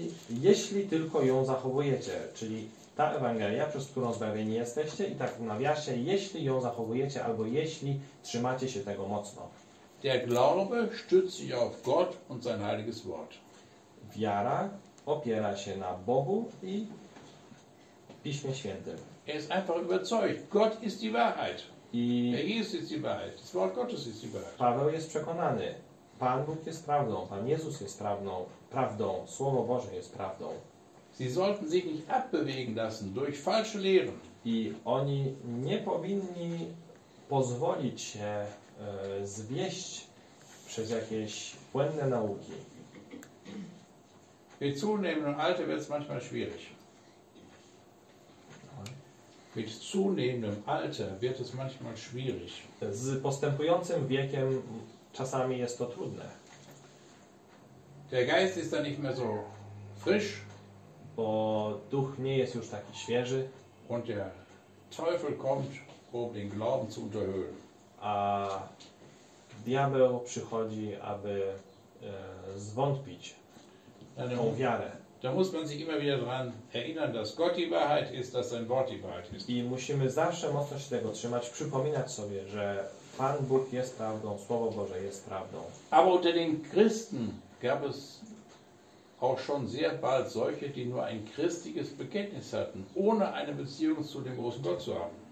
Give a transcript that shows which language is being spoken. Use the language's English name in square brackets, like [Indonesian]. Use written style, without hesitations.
[Polish] Jeśli tylko ją zachowujecie, czyli ta Ewangelia, przez którą zbawieni jesteście, i tak w nawiasie, jeśli ją zachowujecie, albo jeśli trzymacie się tego mocno. [German] Der Glaube stützt sich auf Gott und sein heiliges Wort. [Polish] Wiara opiera się na Bogu i Piśmie Świętym. [German] Er ist einfach überzeugt. Gott ist die Wahrheit. Jesus ist die Wahrheit. Das Wort Gottes ist die Wahrheit. [Polish] Paweł jest przekonany. Pan Bóg jest prawdą. Pan Jezus jest prawdą. Słowo Boże jest prawdą. [German] Sie sollten sich nicht abbewegen lassen durch falsche Lehren. [Polish] I oni nie powinni pozwolić się zwieść przez jakieś błędne nauki. [German] Mit zunehmendem Alter wird es manchmal schwierig. Mit zunehmendem Alter wird es manchmal schwierig. [Polish] Z postępującym wiekiem czasami jest to trudne. [German] Der Geist ist dann nicht mehr so frisch. [Polish] Bo duch nie jest już taki świeży. [German] Und der Teufel kommt, um den Glauben zu unterhöhlen. [Polish] A diabeł przychodzi, aby zwątpić tą wiarę. [German] Da muss man sich immer wieder dran erinnern, dass Gott die Wahrheit ist, dass sein Wort die Wahrheit ist. [Polish] I musimy zawsze mocno się tego trzymać, przypominać sobie, że Pan Bóg jest prawdą, Słowo Boże jest prawdą. [German] Aber unter den Christen gab es auch schon sehr bald solche, die nur ein christliches Bekenntnis hatten, ohne eine Beziehung zu dem großen Gott zu haben.